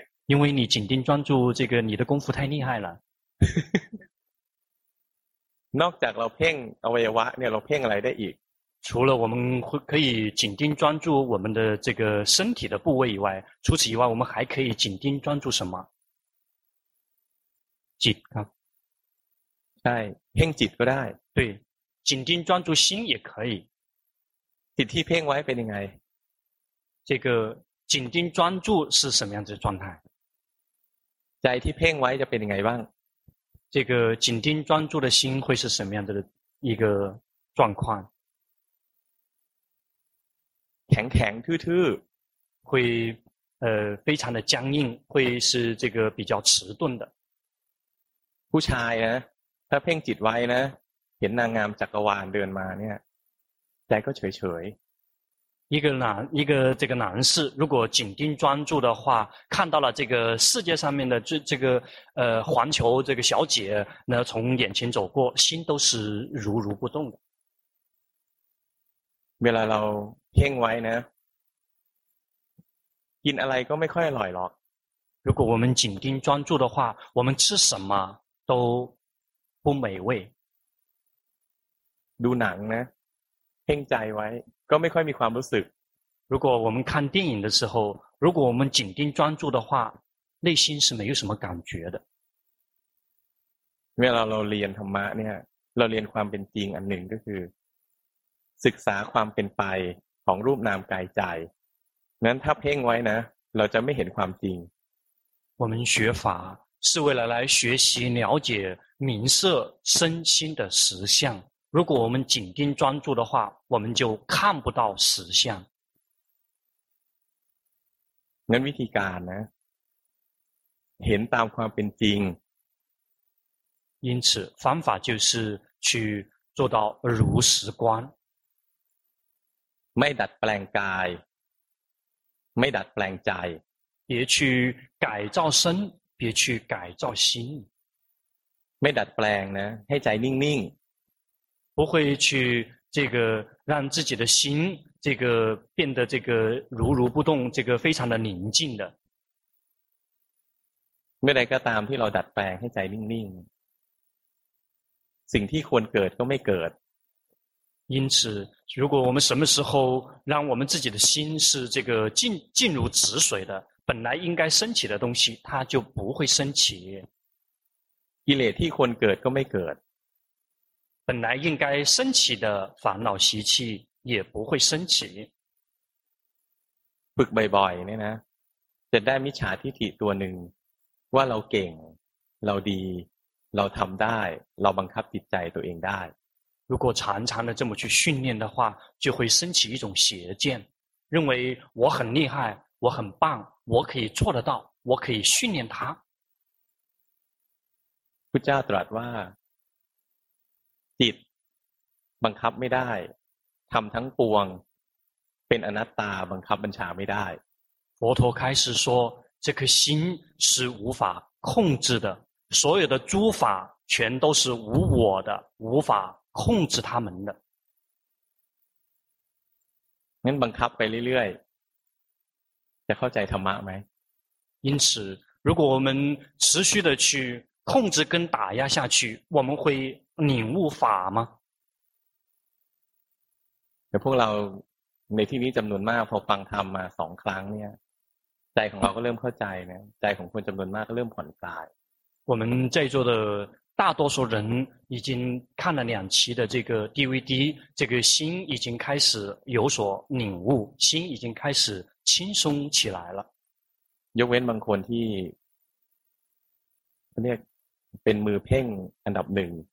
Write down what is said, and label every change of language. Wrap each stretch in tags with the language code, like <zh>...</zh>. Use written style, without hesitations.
<zh>因为你紧盯专注这个你的功夫太厉害了</zh> <th>นอกจากเราเพ่งอวัยวะเนี่ยเราเพ่งอะไรได้อีก</th> <zh>除了我们可以紧盯专注我们的这个身体的部位以外除此以外我们还可以紧盯专注什么</zh> <th>จิตครับ ใช่เพ่งจิตก็ได้</th> <zh>对紧盯专注心也可以</zh> <th>จิตที่เพ่งไว้เป็นยังไง</th> <zh>这个紧盯专注是什么样子的状态</zh> <th>ใจที่เพ่งไว้จะเป็นยังไงบ้าง</th> <zh>这个紧盯专注的心会是什么样子的一个状况</zh> <th>แข็งๆทื่อ</th> <zh>ๆ会非常的僵硬会是这个比较迟钝的</zh> <th>ผู้ชายนะถ้าเพ่งจิตไว้นะเห็นนางงามจักรวาลเดินมาเนี่ยใจก็เฉยๆ</th> <zh>一个这个男士如果紧盯专注的话看到了这个世界上面的这个环球这个小姐呢从眼前走过心都是如如不动的</zh> <th>เวลาเราเพ่งไว้นะกินอะไรก็ไม่ค่อยอร่อยหรอก</th> <zh>如果我们紧盯专注的话我们吃什么都不美味</zh> <th>ดูหนังนะเพ่งใจไว้ก็ไม่ค่อยมีความรู้สึก</th> <zh>如果我们看电影的时候如果我们紧盯专注的话内心是没有什么感觉的</zh> <th>เมื่อเราเรียนธรรมะเนี่ยเราเรียนความเป็นจริงอันหนึ่งก็คือศึกษาความเป็นไปของรูปนามกายใจนั้นถ้าเพ่งไว้นะเราจะไม่เห็นความจริง</th> <zh>我们学法是为了来学习了解名色身心的实相如果我们紧盯专注的话我们就看不到实相</zh> <th>งั้นวิธีการนะเห็นตามความเป็นจริง</th> <zh>因此方法就是去做到如实观</zh> <th>ไม่ดัดแปลงกายไม่ดัดแปลงใจ</th> <zh>别去改造身别去改造心</zh> <th>ไม่ดัดแปลงนะให้ใจนิ่งนิ่ง</th> <zh>不会去这个让自己的心这个变得这个如如不动这个非常的宁静的</zh> <th>เมื่อใดก็ตามที่เราดัดแปลงให้ใจนิ่งๆสิ่งที่ควรเกิดก็ไม่เกิด</th> <zh>因此如果我们什么时候让我们自己的心是这个静如止水的本来应该升起的东西它就不会升起</zh> <th>กิเลสที่ควรเกิดก็ไม่เกิด</th> <zh>本来应该升起的烦恼习气也不会升起</zh> <th>ฝึกบ่อยๆเนี่ยนะจะได้มิจฉาทิฏฐิตัวหนึ่งว่าเราเก่งเราดีเราทำได้เราบังคับจิตใจตัวเองได้</th> <zh>如果常常的这么去训练的话就会升起一种邪见认为我很厉害我很棒我可以做得到我可以训练他</zh> <th>พุทธเจ้าตรัสว่าจิตบังคับไม่ได้ทำทั้งปวงเป็นอนัตตาบังคับบัญชาไม่ได้</th> <zh>佛陀开始说这颗心是无法控制的所有的诸法全都是无我的无法控制他们的那</zh> <th>บังคับไปเรื่อยๆจะเข้าใจธรรมะไหม</th> <zh>因此如果我们持续的去控制跟打压下去我们会领悟法吗</zh> <th>เดี๋ยวพวกเราในที่นี้จำนวนมากพอฟังธรรมมาสองครั้งเนี่ยใจของเราก็เริ่มเข้าใจนะใจของคนจำนวนมากก็เริ่มผ่อนคลาย</th> <zh>我们在座的大多数人已经看了两期的这个 DVD 这个心已经开始有所领悟心已经开始轻松起来了</zh> <th>ยกเว้นบางคนที่เรียกเป็นมือเพ่งอันดับหนึ่ง</th>